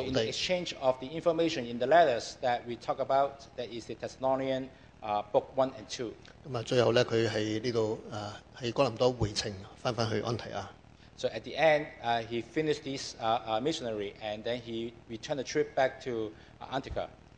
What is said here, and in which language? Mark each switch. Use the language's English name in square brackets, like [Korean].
[English] in the exchange of the information in the letters that we talk about, that is the Thessalonian book 1 and 2. [Chinese] 咁啊，最後咧，佢喺呢度喺哥林多回程，翻去安提亞。 [English] So at the end, he finished this missionary, and then he returned the trip back to Antioch.